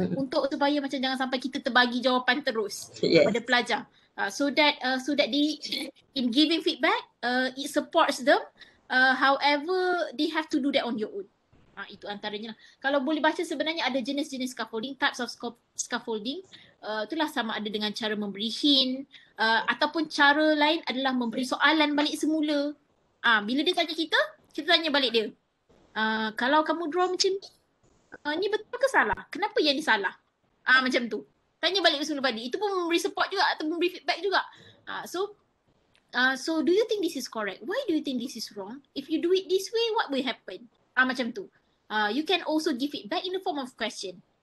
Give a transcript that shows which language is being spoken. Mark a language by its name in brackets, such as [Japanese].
[Malay] Untuk supaya macam jangan sampai kita terbagi jawapan terus kepada pelajar. [English] In giving feedback, it supports them. However, they have to do that on your own. [Malay] Itu antaranya lah. Kalau boleh baca, sebenarnya ada jenis-jenis scaffolding, types of scaffolding. Itulah sama ada dengan cara memberi hint, ataupun cara lain adalah memberi soalan balik semula. Bila dia tanya kita tanya balik dia. Kalau kamu draw macam ni, ni betul ke salah? Kenapa yang ni salah? Macam tu. Tanya balik semula balik. Itu pun memberi support juga atau memberi feedback juga. [English] So do you think this is correct? Why do you think this is wrong? If you do it this way, what will happen? [Malay] Macam tu. [English] You can also give it back in the form of question.